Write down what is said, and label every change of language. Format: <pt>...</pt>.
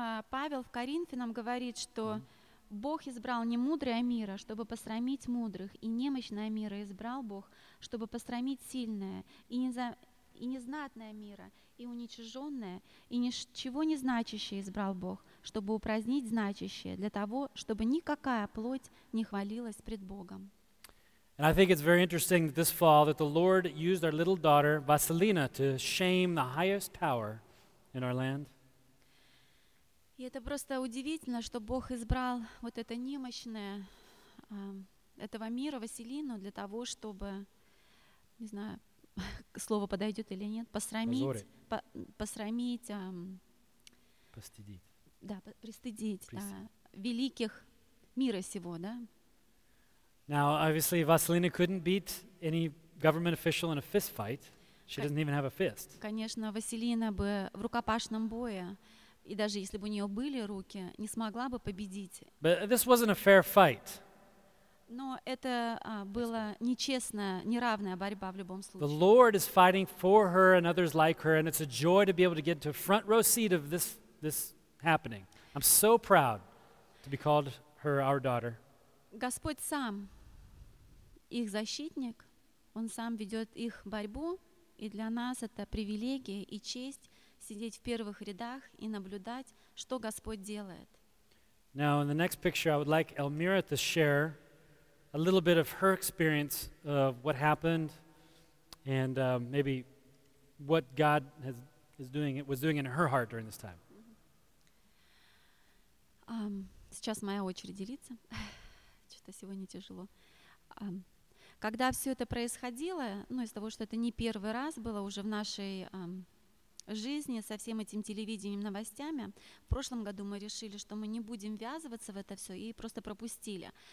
<ru>Павел в Коринфянам говорит, что Бог избрал не мудрое мира, чтобы посрамить мудрых, и немощное мира избрал Бог, чтобы посрамить сильное, и незнатное мира, и уничиженное, и ничего не значащее избрал Бог, чтобы упразднить значащее, для того, чтобы никакая плоть не хвалилась пред Богом.</ru> <en>And I think it's very interesting that this fall that the Lord used our little daughter, Vasilina, to shame the highest power in our land.</en> <ru>И это просто удивительно, что Бог избрал вот это немощное этого мира, Василину, для того, чтобы, не знаю, слово подойдет или нет, пристыдить великих мира сего, да?</ru> <en>Now, obviously, Vasilina couldn't beat any government official in a fist fight. She doesn't even have a fist.</en> <ru>Конечно, Василина бы в рукопашном бою, и даже если бы у нее были руки, не смогла бы победить.</ru> <en>But this wasn't a fair fight.</en> <ru>Но это была нечестная, неравная борьба в любом случае.</ru> <en>The Lord is fighting for her and others like her, and it's a joy to be able to get to a front row seat of this happening. I'm so proud to be called her our daughter.</en> <ru>Господь сам их защитник, он сам ведет их борьбу, и для нас это привилегия и честь сидеть в первых рядах и наблюдать, что Господь делает.</ru> <en>Now, in the next picture, I would like Elmira to share a little bit of her experience of what happened and maybe what God was doing in her heart during this time.</en> <ru>Сейчас моя очередь делиться. Что-то сегодня тяжело. Когда все это происходило, ну, из-за того, что это не первый раз было уже в нашей жизни со всем этим телевидением, новостями, в прошлом году мы решили, что мы не будем ввязываться в это все и просто пропустили.</ru>